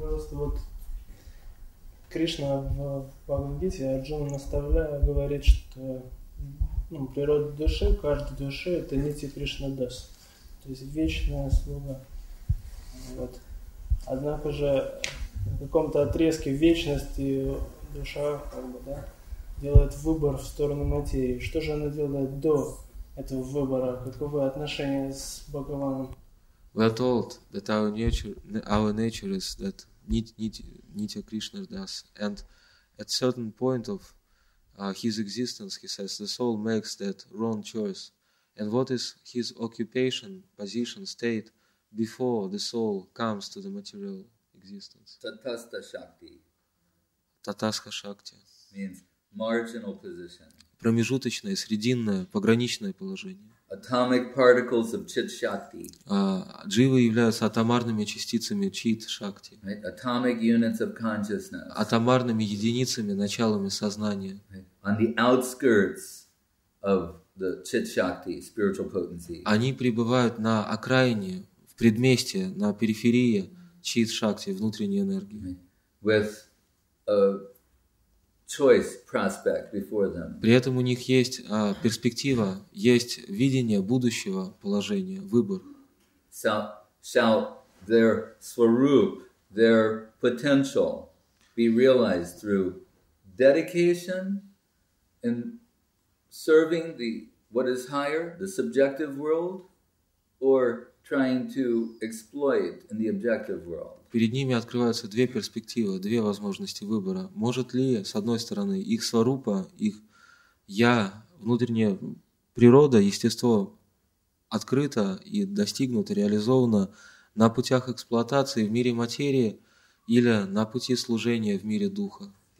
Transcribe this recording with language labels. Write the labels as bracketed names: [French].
[Russian] Вот Кришна в Бхагавад-гите Арджуна наставляя говорит, что природа души, каждой души — это нити Кришна Дас, то есть вечная слуга. Вот. Однако же на каком-то отрезке вечности душа делает выбор в сторону материи. Что же она делает до этого выбора? Каковы отношения с Бхагаваном? [English] We are told that our nature is that Nitya Krishna Das, and at certain point of his existence, he says, the soul makes that wrong choice. And what is his occupation, position, state before the soul comes to the material existence? Tatastha Shakti. Tatastha Shakti. Means marginal position. [Russian] Промежуточное, срединное, пограничное положение. [English] Atomic particles of chit shakti. [Russian] Дживы являются атомарными частицами чит шакти. [English] Right? Atomic units of consciousness. [Russian] Атомарными единицами, началами сознания. [English] Right? On the outskirts of the chit shakti, spiritual potency. [Russian] Они пребывают на окраине, в предместье, на периферии чит шакти, внутренней энергии. [English] Right? With a choice prospect before them. [Russian] При этом у них есть перспектива, есть видение будущего положения, выбор. [English] Shall their swarup, their potential, be realized through dedication in serving the what is higher, the subjective world, or trying to exploit in the objective world? [Russian] Перед ними открываются две перспективы, две возможности выбора. Может ли, с одной стороны, их сварупа, их я, внутренняя природа, естество открыто и достигнуто, реализовано на путях эксплуатации в мире материи или на пути служения в мире духа?